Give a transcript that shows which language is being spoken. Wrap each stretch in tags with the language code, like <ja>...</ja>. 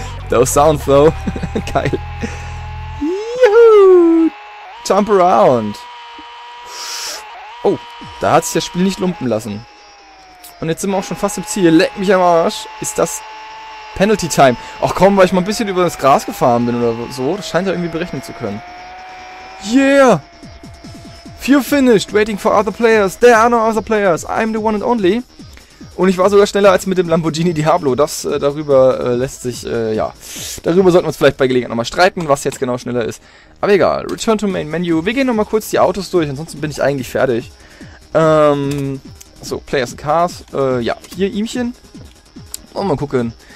<en>Those sounds, though. Geil. Juhu. Jump around.</en> <de>Oh, da hat sich das Spiel nicht lumpen lassen. Und jetzt sind wir auch schon fast im Ziel. Leck mich am Arsch. Ist das Penalty Time? Ach komm, weil ich mal ein bisschen über das Gras gefahren bin oder so. Das scheint ja irgendwie berechnen zu können.</de> <en>Yeah! Few finished, waiting for other players. There are no other players. I'm the one and only.</en> <de>Und ich war sogar schneller als mit dem Lamborghini Diablo. Das darüber lässt sich, ja. Darüber sollten wir uns vielleicht bei Gelegenheit nochmal streiten, was jetzt genau schneller ist. Aber egal,</de> <en>return to main menu.</en> <de>Wir gehen nochmal kurz die Autos durch, ansonsten bin ich eigentlich fertig. So, Players and Cars. Ja, hier ihmchen. Wollen wir mal gucken.</de>